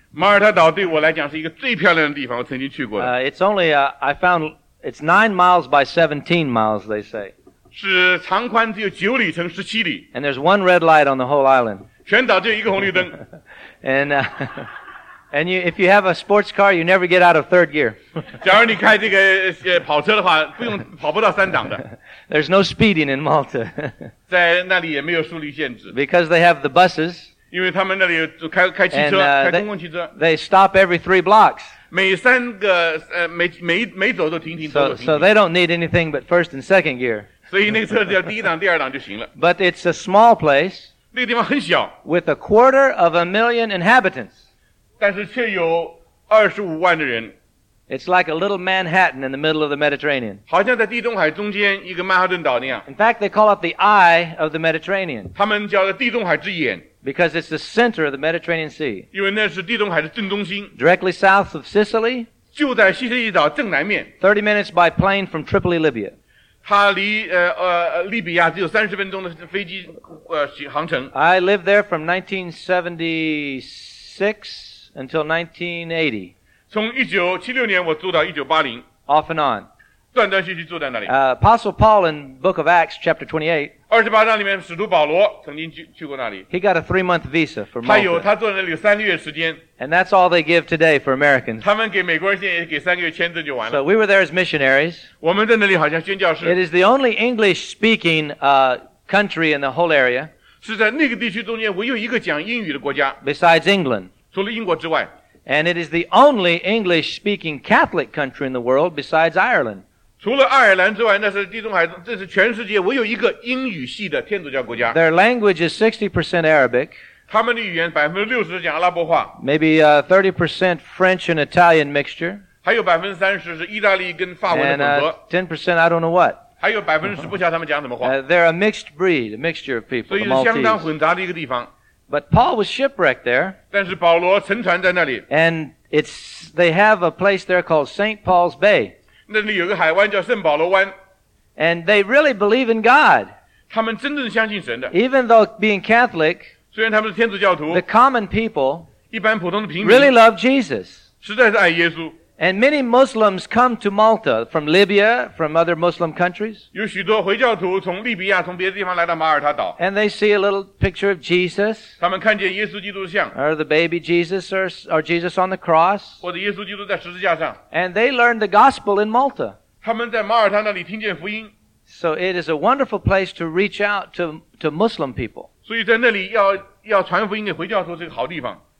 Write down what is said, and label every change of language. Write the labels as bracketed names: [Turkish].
[Chinese] 马耳他岛对我来讲是一个最漂亮的地方，我曾经去过的。 [English] It's only, I found, it's 9 miles by 17 miles, they say. [Chinese] 是长宽只有九里乘十七里。 [English] And there's one red light on the whole island. [Chinese] 全岛只有一个红绿灯。 [English] And you, if you have a sports car, you never get out of third gear. [Chinese] 假如你开这个跑车的话，不用跑不到三档的。 [English] There's no speeding in Malta. [Chinese] 在那里也没有速率限制。 [English] Because they have the buses. [Chinese] 因为他们那里有开汽车，开公共汽车。 [English] They stop every 3 blocks. [Chinese] 每走都停停。 [English] So they don't need anything but first and second gear. [Chinese] 所以那个车只要第一档、第二档就行了。 [English] But it's a small place. [Chinese] 那个地方很小。 [English] With 1/4 of a million inhabitants. [Chinese] 但是却有25万的人。 [English] It's like a little Manhattan in the middle of the Mediterranean. [Chinese] 好像在地中海中间一个曼哈顿岛那样。 [English] In fact, they call it the eye of the Mediterranean. [Chinese] 他们叫做地中海之眼。 [English] Because it's the center of the Mediterranean Sea. [Chinese] 因为那是地中海的正中心。 [English] Directly south of Sicily. [Chinese] 就在西西里岛正南面。 [English] 30 minutes by plane from Tripoli, Libya. [Chinese] 它离利比亚只有30分钟的飞机航程。 [English] I lived there from 1976 until 1980. [Chinese] 从1976年我住到1980 [English] off and on [Chinese] 断断续续住在那里 [English] Apostle Paul in Book of Acts chapter 28 [Chinese] 28章里面使徒保罗曾经 去过那里 [English] He got a 3-month visa for Malta [Chinese] 他坐在那里有三个月时间 [English] And that's all they give today for Americans [Chinese] 他们给美国人现在给三个月签证就完了 [English] So we were there as missionaries [Chinese] 我们在那里好像宣教士 [English] It is the only English speaking country in the whole area [Chinese] 是在那个地区中间唯有一个讲英语的国家 [English] Besides England [Chinese] 除了英国之外 [English] And it is the only English-speaking Catholic country in the world besides Ireland. [Chinese] 除了爱尔兰之外，那是地中海，这是全世界唯有一个英语系的天主教国家。 [English] Their language is 60% Arabic. [Chinese] 他们的语言60%讲阿拉伯话。 [English] Maybe 30% French and Italian mixture. [Chinese] 还有30%是意大利跟法文的混合。 [English] And 10% I don't know what. [Chinese] 还有10%不晓得他们讲什么话。 [English] They're a mixed breed, a mixture of people. [Chinese] 所以是相当混杂的一个地方。 [English] But Paul was shipwrecked there. [Chinese] 但是保罗沉船在那里。 [English] And they have a place there called St. Paul's Bay. [Chinese] 那里有个海湾叫圣保罗湾。 [English] And they really believe in God. [Chinese] 他们真正相信神的。 [English] Even though being Catholic, [Chinese] 虽然他们是天主教徒, [English] the common people, [Chinese] 一般普通的平民, [English] really love Jesus. [Chinese] 实在是爱耶稣。 [English] And many Muslims come to Malta from Libya, from other Muslim countries. [Chinese] 有许多回教徒从利比亚从别的地方来到马耳他岛。 [English] And they see a little picture of Jesus. [Chinese] 他们看见耶稣基督的像。 [English] Or the baby Jesus, or Jesus on the cross. [Chinese] 或者耶稣基督在十字架上。 [English] And they learn the gospel in Malta. [Chinese] 他们在马耳他那里听见福音。 [English] So it is a wonderful place to reach out to Muslim people. [Chinese] 所以在那里要传福音给回教徒是个好地方。